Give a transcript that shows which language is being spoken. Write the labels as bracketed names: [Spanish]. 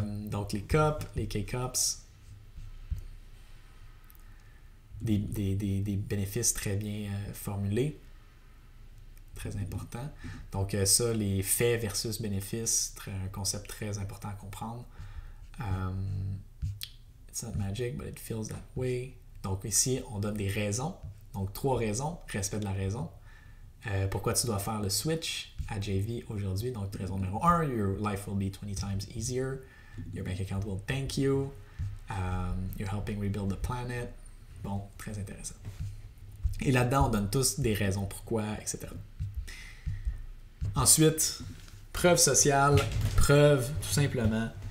[French] Donc, les cups, les K-cups, des bénéfices très bien formulés, très important. Donc, ça, les faits versus bénéfices, très, un concept très important à comprendre. [English] It's not magic, but it feels that way. [French] Donc, ici, on donne des raisons. Donc, trois raisons, respect de la raison. Pourquoi tu dois faire le switch à JV aujourd'hui? Donc, raison numéro 1, [English] your life will be 20 times easier. Your bank account will thank you. You're helping rebuild the planet. [French] Bon, très intéressant. Et là-dedans, on donne tous des raisons pourquoi, etc. Ensuite, preuve sociale, preuve tout simplement.